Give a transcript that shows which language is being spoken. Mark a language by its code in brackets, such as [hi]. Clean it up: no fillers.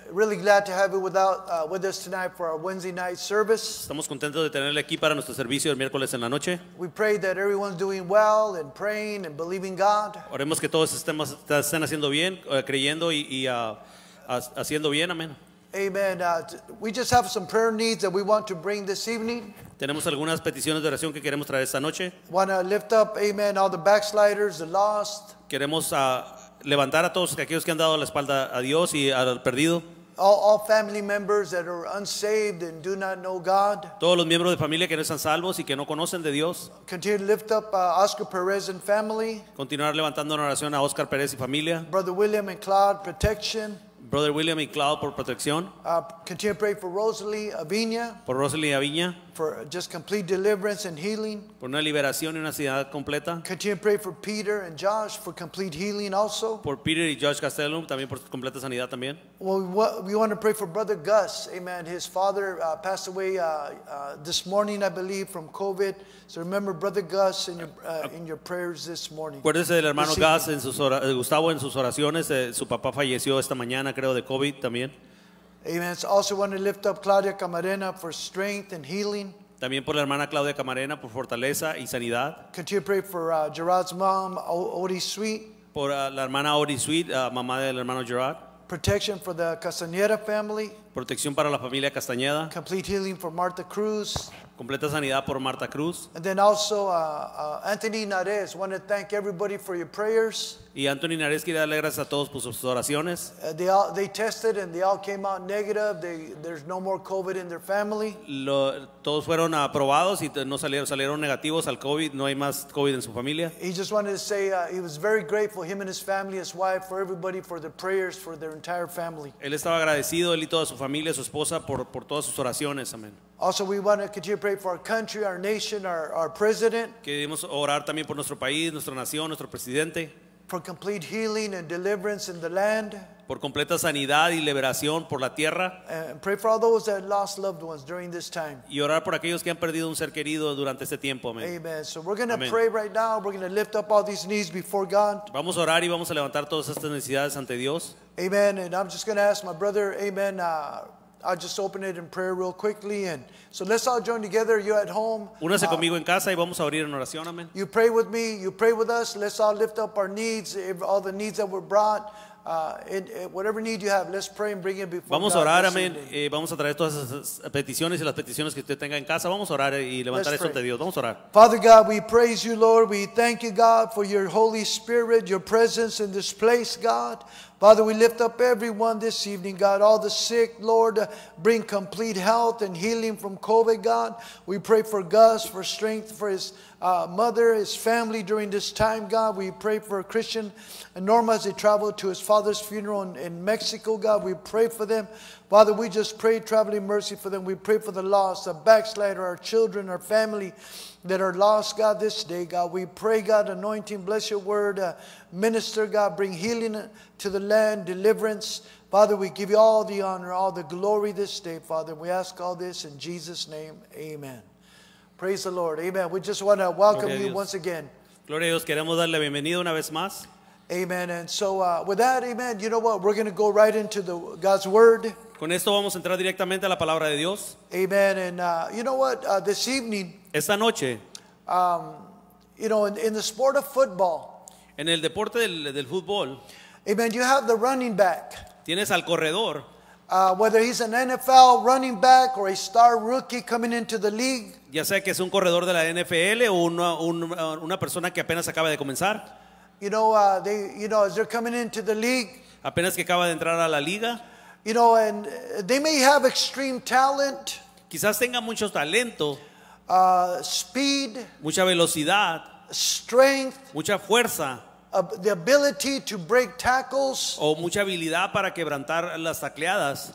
[en] Really glad to have you with us tonight for our Wednesday night service. [es] Estamos contentos de tenerle aquí para nuestro servicio el miércoles en la noche. [en] We pray that everyone's doing well and praying and believing God. [es] Oremos que todos estén haciendo bien, creyendo y haciendo bien. Amén. [en] Amen. We just have some prayer needs that we want to bring this evening. [es] Tenemos algunas peticiones de oración que queremos traer esta noche. [en] Want to lift up, amen, all the backsliders, the lost. [es] Queremos levantar a todos aquellos que han dado la espalda a Dios y al perdido. [en] All family members that are unsaved and do not know God. [es] Todos los miembros de familia que no están salvos y que no conocen de Dios. [en] Continue to lift up Oscar Perez and family. [es] Continuar levantando en oración a Oscar Perez y familia. [en] Brother William and Claude, protection. [es] Brother William y Cloud por protección. [en] Continue to pray for Rosalie Avina. [es] Por Rosalie Avina. [en] For just complete deliverance and healing. [es] Por una liberación y una sanidad completa. [en] Continue to pray for Peter and Josh for complete healing also. [es] Por Peter y Josh Castellum también por completa sanidad también. [en] Well, we want to pray for Brother Gus. Amen. His father passed away this morning, I believe, from COVID. So remember Brother Gus in your prayers this morning. [es] Acuérdese del hermano Gus en sus Gustavo en sus oraciones. Su papá falleció esta mañana, creo, de COVID también. [en] Amen. So also want to lift up Claudia Camarena for strength and healing. [es] También por la hermana Claudia Camarena por fortaleza y sanidad. [en] Continue to pray for Gerard's mom, Odie Sweet. [es] Por la hermana Odie Sweet, mamá del hermano Gerard. [en] Protection for the Castañeda family. [es] Protección para la familia Castañeda. [en] Complete healing for Martha Cruz. [es] Completa sanidad por Martha Cruz. [en] And then also Anthony Nares. Want to thank everybody for your prayers. [es] Y Anthony Nares quiere darle gracias a todos por sus oraciones. [en] They tested and they all came out negative. There's no more COVID in their family. [es] Todos fueron aprobados y no salieron negativos al COVID. No hay más COVID en su familia. [en] He just wanted to say he was very grateful, him and his family, his wife, for everybody, for their prayers, for their entire family. [es] Él estaba agradecido, él y toda su familia, su esposa, por todas sus oraciones. Amén. [en] Also, we want to continue to pray for our country, our nation, our president. [es] Queremos orar también por nuestro país, nuestra nación, nuestro presidente. [en] For complete healing and deliverance in the land. [es] Por completa sanidad y liberación por la tierra. [en] And pray for all those that lost loved ones during this time. [es] Y orar por aquellos que han perdido un ser querido durante este tiempo. [en] Amen. Amen. So we're going to pray right now. We're going to lift up all these needs before God. [es] Vamos a orar y vamos a levantar todas estas necesidades ante Dios. [en] Amen. And I'm just going to ask my brother, amen. I'll just open it in prayer real quickly. And so let's all join together. You at home. [es] Únase conmigo en casa y vamos a abrir en oración. [en] Amen. You pray with me. You pray with us. Let's all lift up our needs, all the needs that were brought. Whatever need you have, let's pray and bring it before God. [es] Vamos a orar, amén. Vamos a traer todas esas peticiones y las peticiones que usted tenga en casa. Vamos a orar y levantar eso ante Dios. Vamos a orar. [en] Father God, we praise you, Lord. We thank you, God, for your Holy Spirit, your presence in this place, God. Father, we lift up everyone this evening, God. All the sick, Lord, bring complete health and healing from COVID, God. We pray for Gus, for strength, for his mother, his family during this time, God. We pray for Christian and Norma as they travel to his father's funeral in Mexico, God. We pray for them. Father, we just pray traveling mercy for them. We pray for the lost, the backslider, our children, our family that are lost, God, this day, God. We pray, God, anointing, bless your word, minister, God, bring healing to the land, deliverance. Father, we give you all the honor, all the glory this day, Father. We ask all this in Jesus' name, amen. Praise the Lord, amen. We just want to welcome you once again. [es] Gloria a Dios, queremos darle bienvenida una vez más. [en] Amen, and so with that, amen, you know what, we're going to go right into the God's word. [es] Con esto vamos a entrar directamente a la palabra de Dios. [en] Amen. And you know what? This evening. [es] Esta noche. [en] You know, in the sport of football. [es] En el deporte del fútbol. [en] Amen. You have the running back. [es] Tienes al corredor. [en] Whether he's an NFL running back or a star rookie coming into the league. [es] Ya sea que es un corredor de la NFL o una persona que apenas acaba de comenzar. [en] You know, as they're coming into the league. [es] Apenas que acaba de entrar a la liga. [en] You know, and they may have extreme talent. [es] Quizás tenga mucho talento. [en] Speed. [es] Mucha velocidad. [en] Strength. [es] Mucha fuerza. [en] The ability to break tackles. [es] O mucha habilidad para quebrantar las tacleadas.